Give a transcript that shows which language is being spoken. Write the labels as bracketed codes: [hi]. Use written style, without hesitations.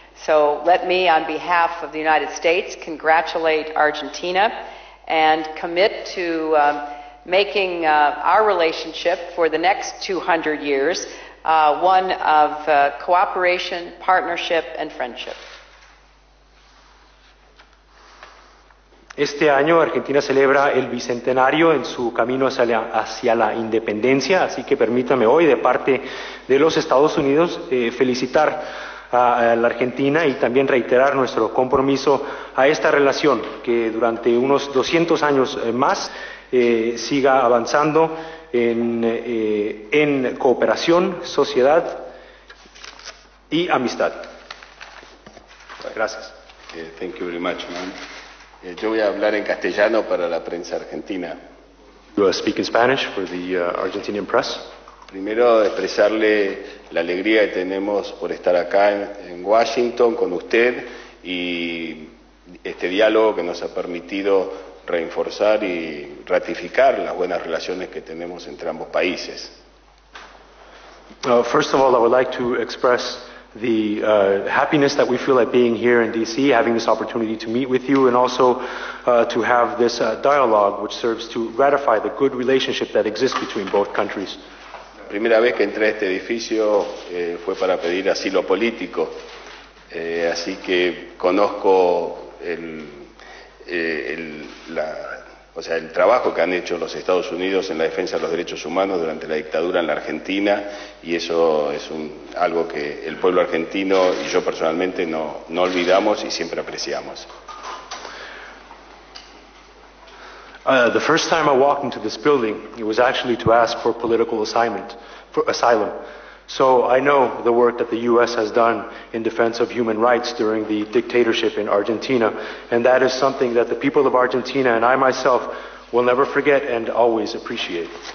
[en] So let me, on behalf of the United States, congratulate Argentina and commit to making our relationship for the next 200 years one of cooperation, partnership, and friendship. [es] Este año Argentina celebra el bicentenario en su camino hacia la independencia, así que permítame hoy, de parte de los Estados Unidos, felicitar a la Argentina y también reiterar nuestro compromiso a esta relación que durante unos 200 años más siga avanzando en cooperación, sociedad y amistad. Gracias. [en] Thank you very much, man. [es] Yo voy a hablar en castellano para la prensa argentina. [en] You will speak in Spanish for the Argentinian press. [es] Primero, expresarle la alegría que tenemos por estar acá en Washington con usted y este diálogo que nos ha permitido reforzar y ratificar las buenas relaciones que tenemos entre ambos países. [en] First of all, I would like to express the happiness that we feel at being here in D.C., having this opportunity to meet with you and also to have this dialogue which serves to ratify the good relationship that exists between both countries. [es] La primera vez que entré a este edificio fue para pedir asilo político, así que conozco el trabajo que han hecho los Estados Unidos en la defensa de los derechos humanos durante la dictadura en la Argentina, y eso es algo que el pueblo argentino y yo personalmente no olvidamos y siempre apreciamos. [en] The first time I walked into this building, it was actually to ask for political asylum. So I know the work that the U.S. has done in defense of human rights during the dictatorship in Argentina, and that is something that the people of Argentina and I myself will never forget and always appreciate.